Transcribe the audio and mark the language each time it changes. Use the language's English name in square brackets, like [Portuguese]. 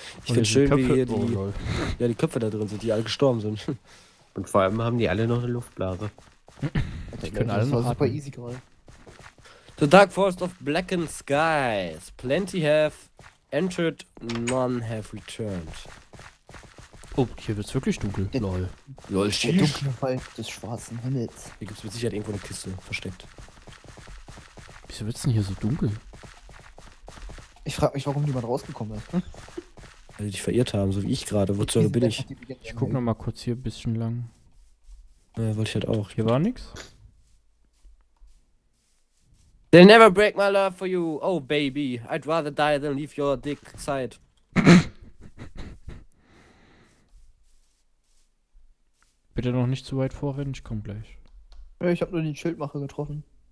[German] Ich finde schön, Köpfe, wie hier die, ja, die Köpfe da drin sind, die alle gestorben sind. Und vor allem haben die alle noch eine Luftblase. Die können alle noch super easy gerade. [English] The dark forest of blackened skies. Plenty have entered, none have returned. [German] Oh, hier wird's wirklich dunkel. Lol. Lol, der dunkle Wald des schwarzen Himmels. Hier gibt's mit Sicherheit irgendwo eine Kiste versteckt. Wieso wird's denn hier so dunkel? Ich frage mich, warum niemand rausgekommen ist. Hm? Weil sie dich verirrt haben, so wie ich gerade. Wozu bin ich? Ich guck noch mal kurz hier ein bisschen lang. Naja, wollte ich halt auch. Hier war nichts. [English] They'll never break my love for you. Oh, baby. I'd rather die than leave your dick side. [German] Bitte noch nicht zu weit vorrennen, ich komm gleich. Ja, ich hab nur den Schildmacher getroffen.